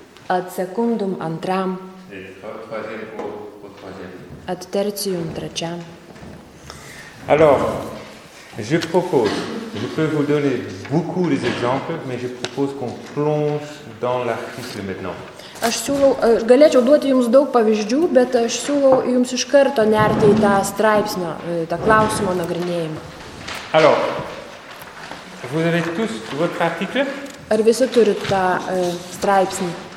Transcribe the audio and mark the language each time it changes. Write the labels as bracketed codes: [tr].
[la] At secundum [lt] antram. [la] Et tertium [lt] trečiam. [fr] Alors, je propose, je peux vous donner beaucoup des exemples, mais je propose qu'on plonge dans l'article maintenant. [lt] Aš siūlau, galėčiau duoti jums daug pavyzdžių, bet aš siūlau jums iš karto nerti į tą straipsnio, tą klausimo nagrinėjimą. [fr] Alors, vous avez tous votre article? [lt] Ar visi turi tą straipsnį?